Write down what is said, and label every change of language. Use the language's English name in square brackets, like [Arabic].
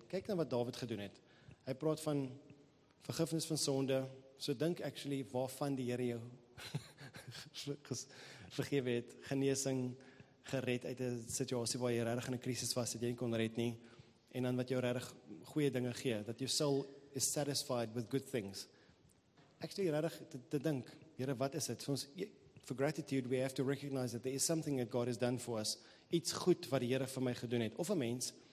[Afrikaans] En kyk na wat David gedoen het. Hy praat van vergifnis van sonde, so dink actually waarvan die Here jou vergewe het, genesing, gered uit 'n situasie waar jy regtig in 'n krisis was, dat jy nie kon red nie, en dan wat jou regtig goeie dinge gee, dat jou [English] soul is satisfied with good things. [Afrikaans] Actually regtig te dink, Here, wat is dit? [English] For gratitude, we have to recognize that there is something that God has done for us. [Afrikaans] Iets goed wat die Here vir my gedoen het, of 'n mens.